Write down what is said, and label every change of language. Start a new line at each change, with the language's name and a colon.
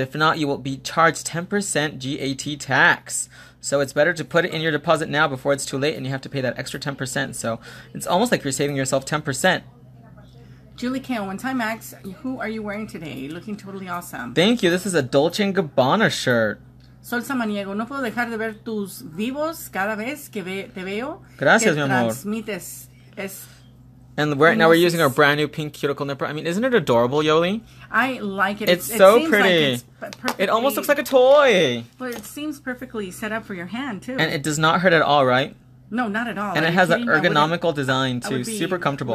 English: If not, you will be charged 10% GAT tax. So it's better to put it in your deposit now before it's too late and you have to pay that extra 10%. So it's almost like you're saving yourself 10%. Julie Kale, one time Max, who are you wearing today? You're looking totally awesome. Thank you. This is a Dolce & Gabbana shirt.
Spanish: Sol Samaniego, no puedo dejar de ver tus vivos cada vez que te veo. Gracias, mi amor. Transmites es.
English: And right now we're using our brand new pink cuticle nipper. I mean, isn't it adorable, Yoli? I like it. It's so seems pretty. Like it almost looks like a toy. But it seems perfectly set up for your hand, too. And it does not hurt at all, right? No, not at all. And it has an ergonomical design, too. Super comfortable.